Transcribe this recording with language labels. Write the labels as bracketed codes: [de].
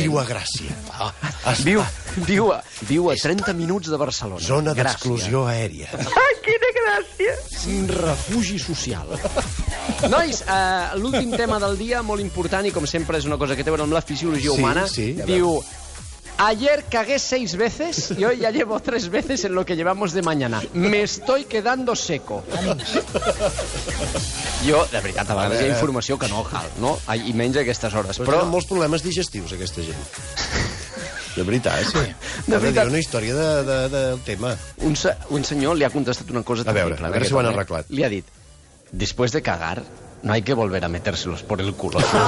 [ca] Viu a Gràcia. Viu a 30 minuts de Barcelona. Zona d'exclusió aèria. Quina gràcia! Refugi social. Nois, l'últim tema del dia, molt important, i com sempre és una cosa que té a veure amb la fisiologia humana, diu... [es] Ayer cagué 6 veces y hoy ya llevo 3 veces en lo que llevamos de mañana. Me estoy quedando seco. [ca] Jo, de veritat, a vegades hi ha informació que no cal, no? I menys aquestes hores. Però tenen molts problemes digestius, aquesta gent. De veritat, sí. De veritat. Dir una història del tema. Un senyor li ha contestat una cosa terrible. A veure si ho han arreglat. Li ha dit, [es] después de cagar, no hay que volver a metérselos por el culo.